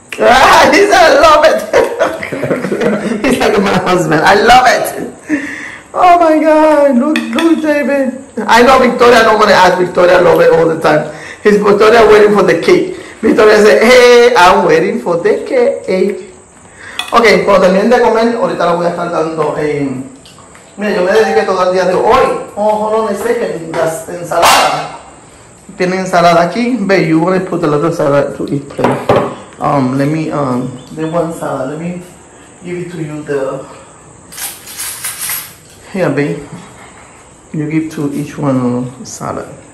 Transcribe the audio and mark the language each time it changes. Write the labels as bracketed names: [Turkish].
[English] Ah, he said, I love it. He's like my husband. I love it. Oh my God, look David. I know Victoria, I'm not going to ask Victoria, I love it all the time. He's Victoria waiting for the cake. Victoria said, hey, I'm waiting for the cake. Okay, [Spanish] pero también de comer, ahorita lo voy a estar dando. Mira, yo me dediqué todo el día de hoy. [English] Oh, [Spanish] no, no sé, las ensaladas. Tiene ensalada aquí. [English] Babe, you want to put the little salad to eat, please. The one salad. Let me give it to you the... Here, babe. You give to each one salad.